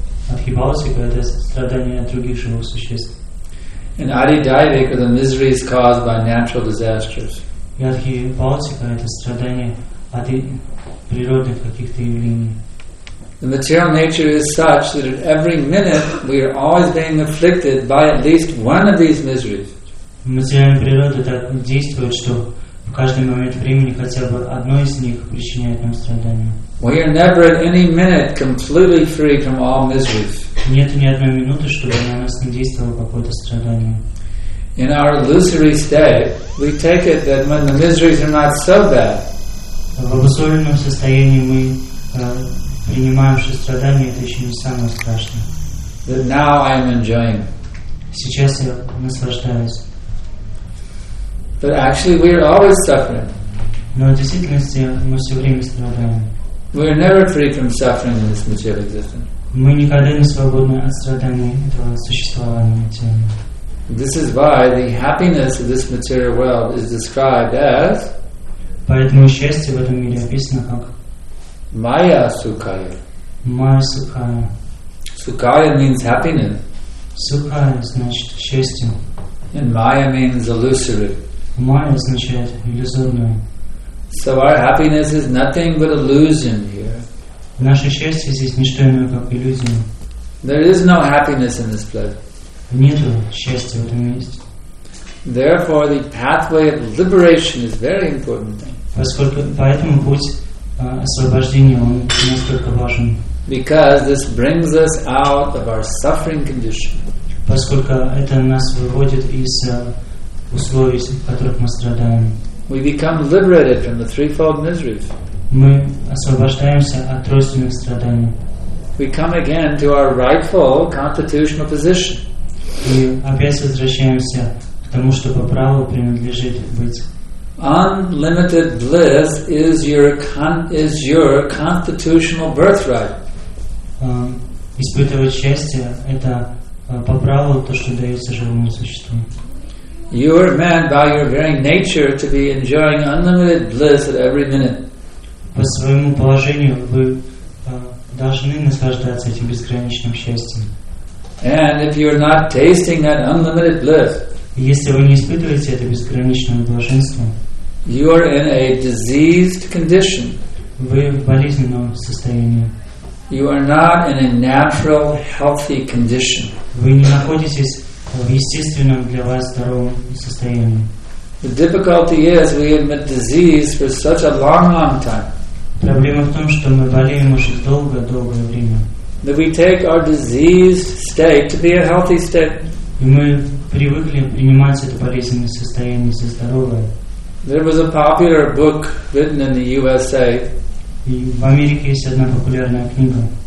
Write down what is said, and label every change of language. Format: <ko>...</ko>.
<ru>Адхибаусика – это страдания других живых существ.</ru> <en>And аридайвик are the miseries caused by natural disasters.</en> <ru>И адхибаусика – это страдания от природных каких-то явлений.</ru> <en>The material nature is such that at every minute we are always being afflicted by at least one of these miseries.</en> <ru>Материальная природа так действует, что в каждый момент времени хотя бы одно из них причиняет нам страдания.</ru> <en>We are never at any minute completely free from all miseries.</en> <ru>Нет ни одной минуты, чтобы на нас не действовало какое-то страдание.</ru> <en>In our illusory state, we take it that when the miseries are not so bad.</en> <ru>В обусловленном состоянии мы принимаем, что страдания это еще не самое страшное.</ru> <en>That now I am enjoying.</en> <ru>Сейчас я наслаждаюсь.</ru> <en>But actually, we are always suffering.</en> <ru>Но в действительности мы все время страдаем.</ru> <en>We are never free from suffering in this material existence.</en> <ru>Мы никогда не свободны от страданий этого существования тела.</ru> <en>This is why the happiness of this material world is described as.</en> <ru>Поэтому счастье в этом мире описано как.</ru> <sa>Майя сукая. Майя сукая.</sa> <en>Сукая means happiness.</en> <ru>Сукая значит счастье.</ru> <en>And майя means illusory.</en> <ru>Майя означает иллюзорное.</ru> <en>So our happiness is nothing but illusion here.</en> <ru>Наше счастье здесь не что иное, как иллюзия.</ru> <en>There is no happiness in this place.</en> <ru>Нету счастья в этом месте.</ru> <en>Therefore, the pathway of liberation is very important thing.</en> <ru>Поскольку поэтому путь освобождения он настолько важен.</ru> <en>Because this brings us out of our suffering condition.</en> <ru>Поскольку это нас выводит из условий, в которых мы страдаем.</ru> <en>We become liberated from the threefold miseries.</en> <ru>Мы освобождаемся от тройственных страданий.</ru> <en>We come again to our rightful constitutional position.</en> <ru>И опять возвращаемся к тому, что по праву принадлежит быть.</ru> <en>Unlimited bliss is your constitutional birthright.</en> <ru>Испытывать счастье – это по праву то, что дается живому существу.</ru> <en>You are meant by your very nature to be enjoying unlimited bliss at every minute.</en> <ru>По своему положению вы должны наслаждаться этим безграничным счастьем.</ru> <en>And if you are not tasting that unlimited bliss,</en> <ru>если вы не испытываете это безграничное блаженство,</ru> <en>you are in a diseased condition.</en> <ru>Вы в болезненном состоянии.</ru> <en>You are not in a natural, healthy condition.</en> <ru>Вы не находитесь в естественном для вас здоровом состоянии.</ru> <en>The difficulty is we have been diseased for such a long, long time.</en> <ru>Проблема в том, что мы болеем уже долгое-долгое время.</ru> <en>That we take our diseased state to be a healthy state.</en> <ru>И мы привыкли принимать это болезненное состояние за здоровое.</ru> <en>There was a popular book written in the USA.</en> <ru>И в Америке есть одна популярная книга.</ru>